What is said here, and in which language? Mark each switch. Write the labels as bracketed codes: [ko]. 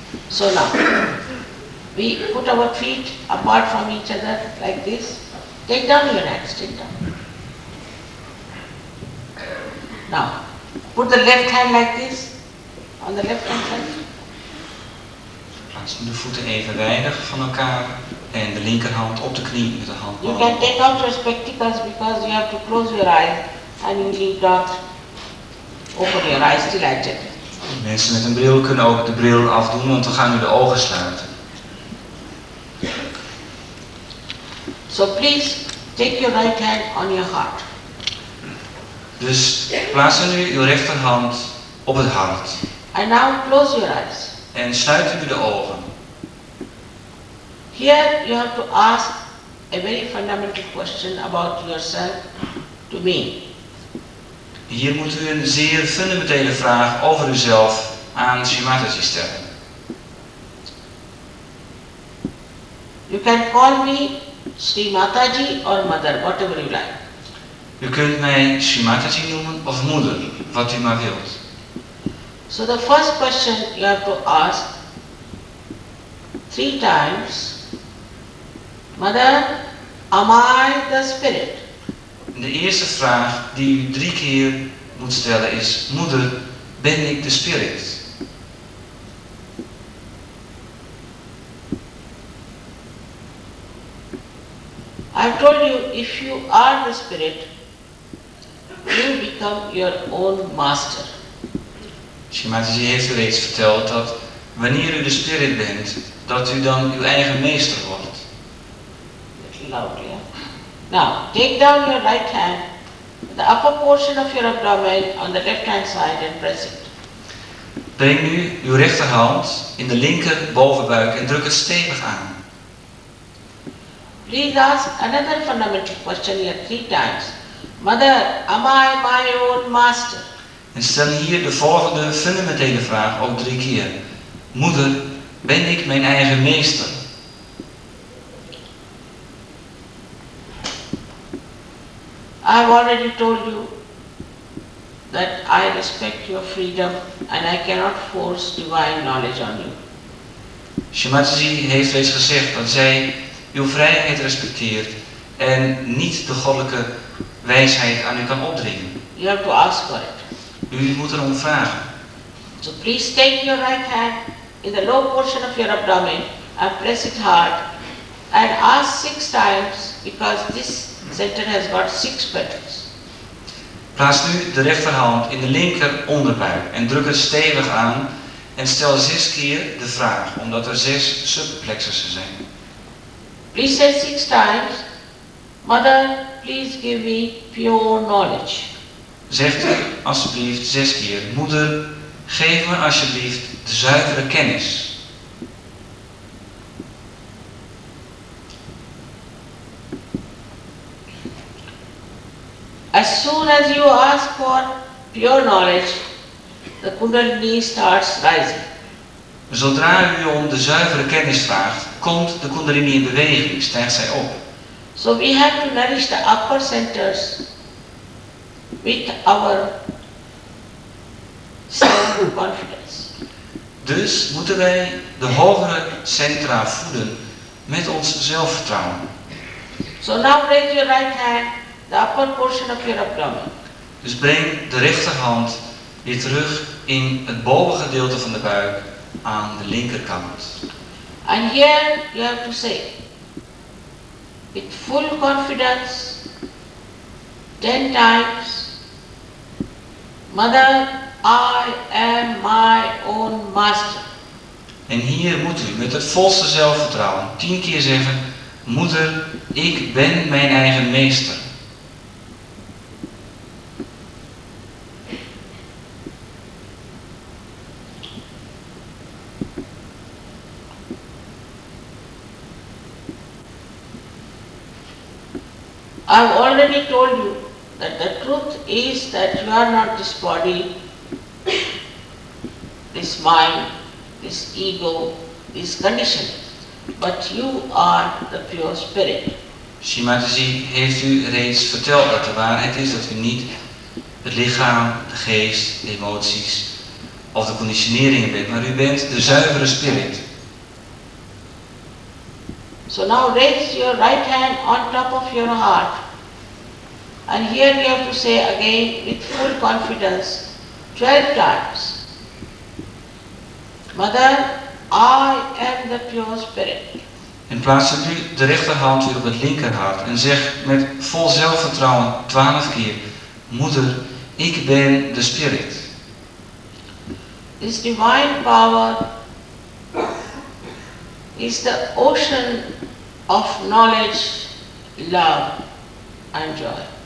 [en] So now, we put our feet apart from each other like this. Take down your hands, take down. Now, put the left hand like this, on the left hand side. [nl] Plaats de voeten even weinig van elkaar en de linkerhand op de knie met de hand. [en] You can take out your spectacles because you have to close your eyes. And you need not open your eyes till I check. [nl] Mensen met een bril kunnen ook de bril afdoen, want we gaan nu de ogen sluiten. [en] So please take your right hand on your heart. [nl] Dus plaats nu uw rechterhand op het hart. [en] And now close your eyes. [nl] En sluit u de ogen. [en] Here you have to ask a very fundamental question about yourself to me. [nl] Hier moet u een zeer fundamentele vraag over uzelf aan Shri Mataji stellen. [en] You can call me Shri Mataji or Mother, whatever you like. [nl] U kunt mij Shri Mataji noemen of moeder, wat u maar wilt. [en] So the first question you have to ask 3 times. Mother, am I the spirit? [nl] De eerste vraag die u 3 keer moet stellen is: Moeder, ben ik de spirit? [en] I told you, if you are the spirit, you become your own master. [nl] Shri Mataji heeft u reeds verteld dat wanneer u de spirit bent, dat u dan uw eigen meester wordt. [en] Now, take down your right hand, the upper portion of your abdomen on the left hand side and press it. [nl] Breng nu uw rechterhand in de linker bovenbuik en druk het stevig aan. [en] Please ask another fundamental question here 3 times. Mother, am I my own master? [nl] En stel hier de volgende fundamentele vraag ook 3 keer. Moeder, ben ik mijn eigen meester? [en] I have already told you that I respect your freedom and I cannot force divine knowledge on you. [nl] Shimataji heeft reeds gezegd dat zij uw vrijheid respecteert en niet de goddelijke wijsheid aan u kan opdringen. [en] You have to ask for it. [nl] U moet erom vragen. [en] So please take your right hand in the low portion of your abdomen and press it hard and ask 6 times because this center has got 6 petals. [nl] Plaats nu de rechterhand in de linker onderbuik en druk het stevig aan en stel 6 keer de vraag omdat er 6 subplexussen zijn. [en] Please say 6 times, Mother, please give me pure knowledge. [nl] Zegt u alsjeblieft 6 keer, Moeder, geef me alsjeblieft de zuivere kennis. [en] As soon as you ask for pure knowledge, the Kundalini starts rising. [nl] Zodra u om de zuivere kennis vraagt, komt de Kundalini in beweging, stijgt zij op. [en] So we have to nourish the upper centers with our self-confidence. [nl] Dus moeten wij de hogere centra voeden met ons zelfvertrouwen. [en] So now raise your right hand, the upper portion of your abdomen. [nl] Dus breng de rechterhand weer terug in het bovengedeelte van de buik aan de linkerkant. [en] And here you have to say, with full confidence, 10 times, Mother, I am my own master. [nl] En hier moet u met het volste zelfvertrouwen 10 keer zeggen, Moeder, ik ben mijn eigen meester. [en] I have already told you that the truth is that you are not this body, this mind, this ego, this condition, but you are the pure spirit. [nl] Shimataji heeft u reeds verteld dat de waarheid is dat u niet het lichaam, de geest, de emoties of de conditioneringen bent, maar u bent de zuivere spirit. [en] So now raise your right hand on top of your heart. And here we have to say again with full confidence 12 times, Mother, I am the pure spirit. [nl] En plaats nu de rechterhand weer op het linkerhart en zeg met vol zelfvertrouwen 12 keer, Moeder, ik ben de spirit. [en] This divine power is the ocean of knowledge, love and joy.